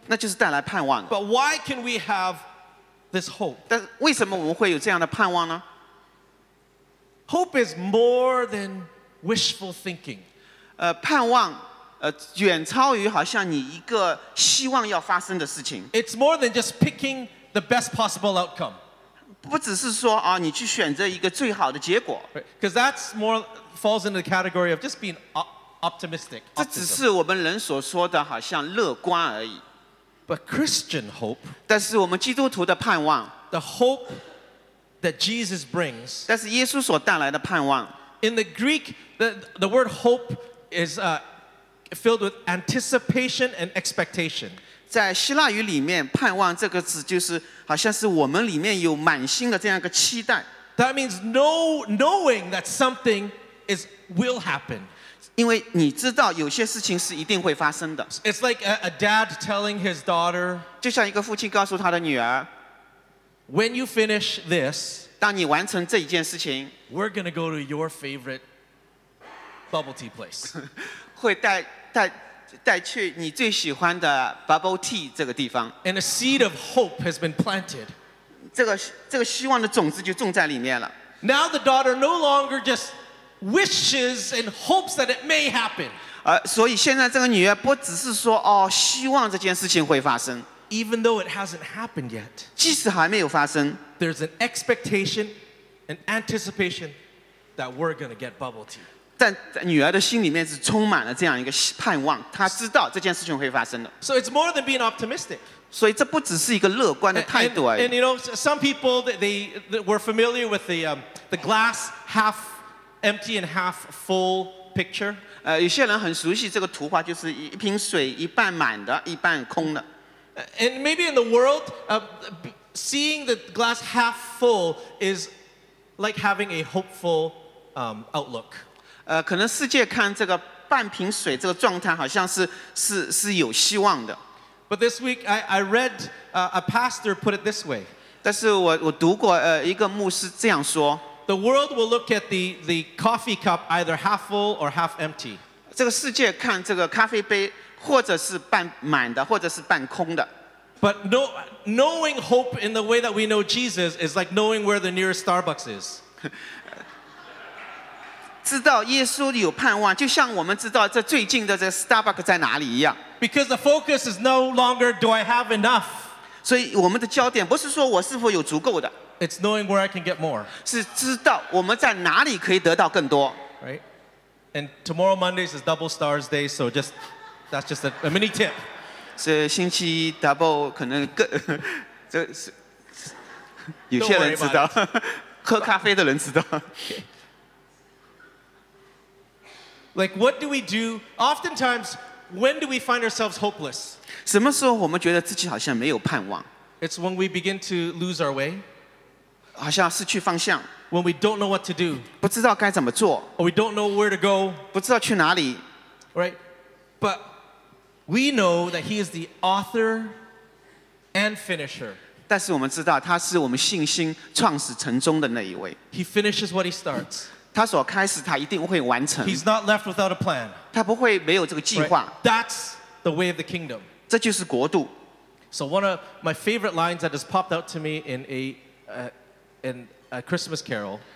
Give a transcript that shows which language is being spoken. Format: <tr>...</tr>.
<zh>那就是带来盼望。</zh> <en>But why can we have this hope?</en> <zh>但为什么我们会有这样的盼望呢？</zh> <en>Hope is more than wishful thinking.</en> <zh>盼望远超于好像你一个希望要发生的事情。</zh> <en>It's more than just picking the best possible outcome.</en> <zh>不只是说啊，你去选择一个最好的结果。</zh> <en>Because that's more falls into the category of just being optimistic.</en> <zh>这只是我们人所说的好像乐观而已。</zh> <en>But Christian hope.</en> <zh>但是我们基督徒的盼望。</zh> <en>The hope that Jesus brings.</en> <zh>但是耶稣所带来的盼望。</zh> <en>In the Greek, the word hope is filled with anticipation and expectation.</en> <zh>在希腊语里面盼望这个字就是好像是我们里面有满心的这样一个期待</zh> <en>That means knowing that something will happen</en> <zh>因为你知道有些事情是一定会发生的</zh> <en>It's like a dad telling his daughter</en> <zh>就像一个父亲告诉他的女儿</zh> <en>When you finish this</en> <zh>当你完成这一件事情</zh> <en>We're going to go to your favorite bubble tea place</en> <zh>会带去你最喜欢的 bubble tea 这个地方</zh> <en>and a seed of hope has been planted</en> <zh>这个希望的种子就种在里面了</zh> <en>now the daughter no longer just wishes and hopes that it may happen</en> <zh>所以现在这个女儿不只是说哦，希望这件事情会发生</zh> <en>even though it hasn't happened yet</en> <zh>即使还没有发生</zh> <en>there's an expectation and anticipation that we're going to get bubble tea</en> <zh>但女儿的心里面是充满了这样一个盼望，她知道这件事情会发生的。</zh> <en>So it's more than being optimistic.</en> <zh>所以这不只是一个乐观的态度而已。</zh> <en>And you know, some people they were familiar with the glass half empty and half full picture.</en> <zh>有些人很熟悉这个图画，就是一瓶水一半满的，一半空的。</zh> <en>And maybe in the world, seeing the glass half full is like having a hopeful outlook.</en> <zh>可能世界看这个半瓶水这个状态好像是有希望的。</zh> <en>But this week, I read a pastor put it this way.</en> <zh>但是我读过一个牧师这样说。</zh> <en>The world will look at the coffee cup either half full or half empty.</en> <zh>这个世界看这个咖啡杯或者是半满的或者是半空的。</zh> <en>But knowing hope in the way that we know Jesus is like knowing where the nearest Starbucks is.</en> <zh>知道耶稣有盼望，就像我们知道这最近的这 Starbucks 在哪里一样。</zh> <en>Because the focus is no longer do I have enough.</en> <zh>所以我们的焦点不是说我是否有足够的。</zh> <en>It's knowing where I can get more.</en> <zh>是知道我们在哪里可以得到更多。</zh> <en>Right? And tomorrow Mondays is Double Stars Day, so just that's just a mini tip.</en> <zh>这星期一 double 可能更，这是有些人知道，喝咖啡的人知道。</zh> <en>Like what do we do? Oftentimes, when do we find ourselves hopeless?</en> <zh>什么时候我们觉得自己好像没有盼望</zh> <en>？It's when we begin to lose our way.</en> <zh>好像失去方向。</zh> <en>When we don't know what to do.</en> <zh>不知道该怎么做。</zh> <en>Or we don't know where to go.</en> <zh>不知道去哪里。</zh> <en>Right, but. We know that he is the author and finisher.</en> <zh>但是我们知道他是我们信心创始成终的那一位。</zh> <en>He finishes what he starts.</en> <zh>他所开始他一定会完成。</zh> <en>He's not left without a plan.</en> <zh>他不会没有这个计划。</zh> <en>That's the way of the kingdom.</en> <zh>这就是国度。</zh> <en>So one of my favorite lines that has popped out to me in a Christmas carol.</en>